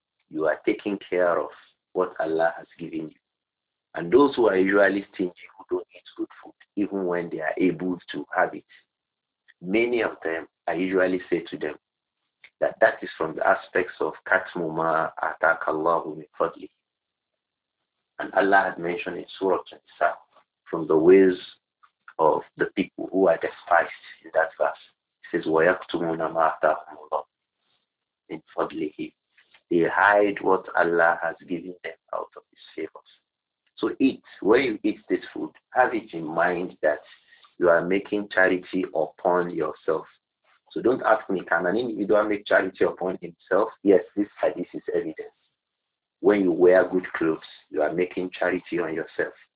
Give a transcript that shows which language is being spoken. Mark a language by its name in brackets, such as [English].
[English] You are taking care of what Allah has given you. And those who are usually stingy, who don't eat good food, even when they are able to have it, many of them, I usually say to them, that is from the aspects of [Arabic] Katmuma Atakallahu Mifadli. [English] And Allah had mentioned in Surah 27, from the ways of the people who are despised in that verse. It says, [Arabic] وَيَكْتُمُونَ مَا أَتَاهُمُ اللَّهُ مِنْ فَضْلِهِ. [English] They hide what Allah has given them out of His favors. So eat, when you eat this food, have it in mind that you are making charity upon yourself. So don't ask me, can an individual make charity upon himself? Yes, this hadith is evidence. When you wear good clothes, you are making charity on yourself.